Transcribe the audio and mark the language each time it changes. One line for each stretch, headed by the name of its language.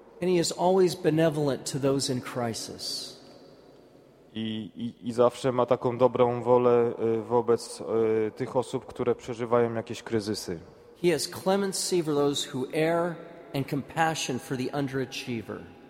English: And he is always benevolent to those in crisis.
Polish: I zawsze ma taką dobrą wolę wobec tych osób, które przeżywają jakieś kryzysy.
English: He has clemency for those who err and compassion for the underachiever.